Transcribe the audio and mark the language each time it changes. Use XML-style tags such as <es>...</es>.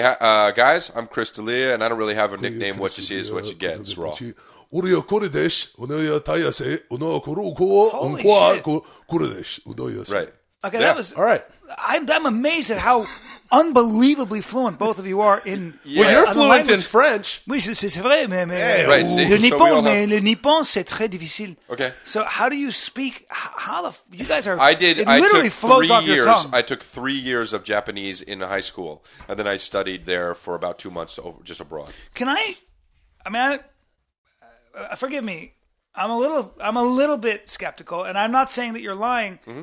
<en>Hey, guys, I'm Chris D'Elia, and I don't really have a nickname. What you see is what you get. It's raw. Holy shit. Right. Okay, that was all right. I'm amazed at how unbelievably fluent both of you are in. Well, you're fluent in French.</en> <fr>Oui, c'est vrai, mais</fr> <en>right,</en> <fr>le nippon, mais le nippon, c'est très difficile.</fr> <en>Okay. So, how do you speak? How the you guys are? I did. It literally flows off your tongue. I took 3 years of Japanese in high school, and then I studied there for about 2 months just abroad. Can I? I mean, forgive me. I'm a little bit skeptical, and I'm not saying that you're lying, mm-hmm.</en>